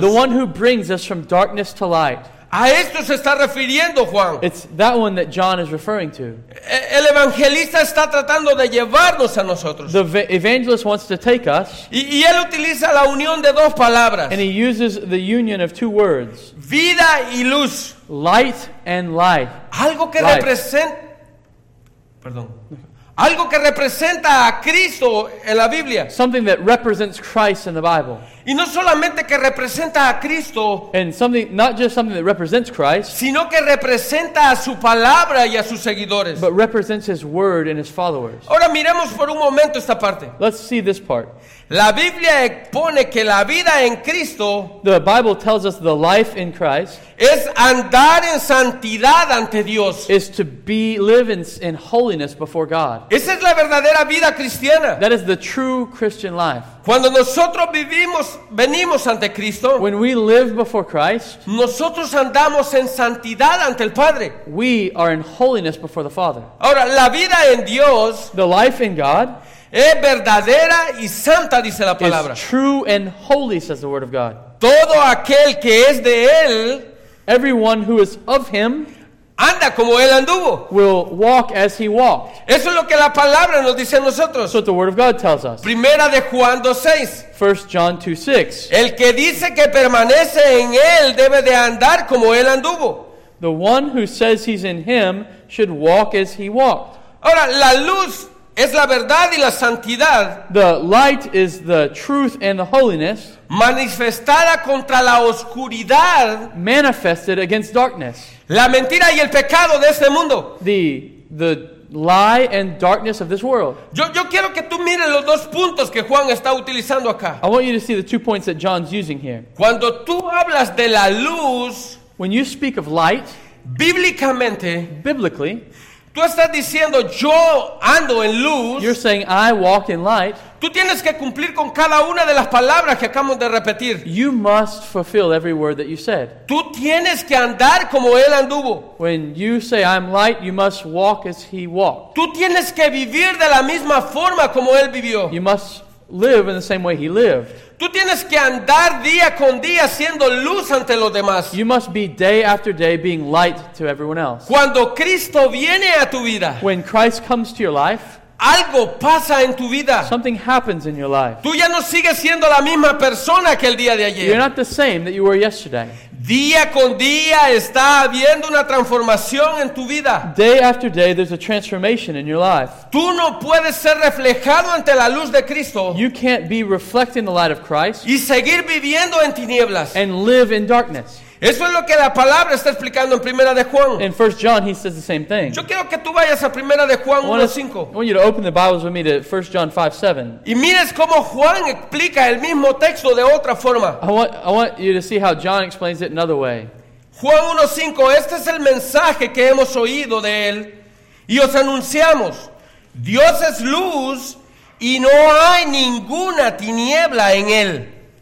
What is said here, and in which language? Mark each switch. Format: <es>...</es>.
<en>The one who brings us from darkness to light.</en> <es>A esto se está refiriendo Juan.</es> <en>It's that one that John is referring to.</en> <es>El evangelista está tratando de llevarnos a nosotros.</es> <en>The evangelist wants to take us.</en> <es>Y él utiliza la unión de dos palabras.</es> <en>And he uses the union of two words.</en> <es>Vida y luz.</es> <en>Light and life.</en> <es>Algo que representa. Perdón. Algo que representa a Cristo en la Biblia.</es> <en>Something that represents Christ in the Bible.</en> <es>Y no solamente que representa a Cristo,</es> <en>and something, not just something that represents Christ,</en> <es>sino que representa a su palabra y a sus seguidores,</es> <en>but represents his word and his followers.</en> <es>Ahora miremos por un momento esta parte.</es> <en>Let's see this part.</en> <es>La Biblia expone que la vida en Cristo,</es> <en>the Bible tells us the life in Christ,</en> <es>es andar en santidad ante Dios,</es> <en>is to be live in holiness before God.</en> <es>Esa es la verdadera vida cristiana.</es> <en>That is the true Christian life.</en> <es>Cuando nosotros vivimos, venimos ante Cristo,</es> <en>when we live before Christ,</en> <es>nosotros andamos en santidad ante el Padre.</es> <en>We are in holiness before the Father.</en> <es>Ahora, la vida en Dios,</es> <en>the life in God,</en> <es>es verdadera y santa, dice la palabra.</es> <en>Is true and holy, says the word of God.</en> <es>Todo aquel que es de él,</es> <en>everyone who is of him,</en> <es>anda como él anduvo,</es> <en>will walk as he walked.</en> <es>Eso es lo que la palabra nos dice a nosotros.</es> <en>That's what the word of God tells us.</en> <es>Primera de Juan 2:6.</es> <en>1 John 2:6.</en> <es>El que dice que permanece en él debe de andar como él anduvo.</es> <en>The one who says he's in him should walk as he walked.</en> <es>Ahora, la luz es la verdad y la santidad.</es> <en>The light is the truth and the holiness.</en> <es>Manifestada contra la oscuridad.</es> <en>Manifested against darkness.</en> <es>La mentira y el pecado de este mundo.</es> <en>The lie and darkness of this world.</en> <es>Yo quiero que tú mires los dos puntos que Juan está utilizando acá.</es> <en>I want you to see the two points that John's using here.</en> <es>Cuando tú hablas de la luz,</es> <en>when you speak of light,</en> <es>bíblicamente,</es> <en>biblically,</en> <es>tú estás diciendo yo ando en luz.</es> <en>You're saying I walk in light.</en> <es>Tú tienes que cumplir con cada una de las palabras que acabamos de repetir.</es> <en>You must fulfill every word that you said.</en> <es>Tú tienes que andar como él anduvo.</es> <en>When you say I'm light, you must walk as he walked.</en> <es>Tú tienes que vivir de la misma forma como él vivió.</es> <en>You must live in the same way he lived.</en> <es>Tú tienes que andar día con día siendo luz ante los demás.</es> <en>You must be day after day being light to everyone else.</en> <es>Cuando Cristo viene a tu vida,</es> <en>when Christ comes to your life,</en> <es>algo pasa en tu vida.</es> <en>Something happens in your life.</en> <es>Tú ya no sigues siendo la misma persona que el día de ayer.</es> <en>You're not the same that you were yesterday.</en> <es>Día con día está habiendo una transformación en tu vida.</es> <en>Day after day there's a transformation in your life.</en> <es>Tú no puedes ser reflejado ante la luz de Cristo.</es> <en>You can't be reflecting the light of Christ.</en> <es>Y seguir viviendo en tinieblas.</es> <en>And live in darkness.</en> <es>Eso es lo que la palabra está explicando en Primera de Juan.</es> <en>In 1 John he says the same thing.</en> <es>Yo quiero que tú vayas a Primera de Juan 1:5.</es> <en>I want you to open the Bibles with me to 1 John 5:7.</en> <es>Y mires cómo Juan explica el mismo texto de otra forma.</es> <en>I want you to see how John explains it another way.</en> <es>Juan 1:5, este es el mensaje que hemos oído de él y os anunciamos. Dios es luz y no hay ninguna tiniebla en él.</es>